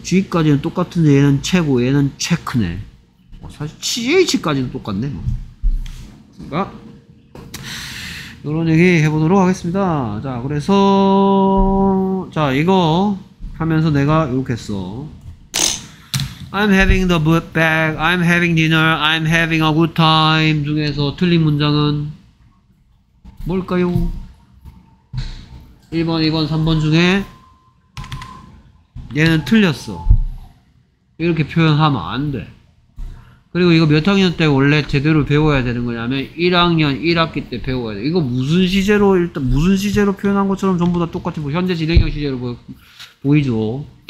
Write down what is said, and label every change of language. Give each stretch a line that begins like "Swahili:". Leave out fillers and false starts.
Korean: G까지는 똑같은데 얘는 최고 얘는 체크네. 사실 CH까지는 똑같네. 그러니까 이런 얘기 해보도록 하겠습니다. 자 그래서 자 이거 하면서 내가 이렇게 써.
English: I'm having the book bag, I'm having dinner, I'm having a good time
Korean: 중에서 틀린 문장은 뭘까요? 1번, 2번, 3번 중에 얘는 틀렸어. 이렇게 표현하면 안 돼. 그리고 이거 몇 학년 때 원래 제대로 배워야 되는 거냐면 1학년 1학기 때 배워야 돼. 이거 무슨 시제로 일단 무슨 시제로 표현한 것처럼 전부 다 똑같이 뭐 현재 진행형 시제로 보이죠.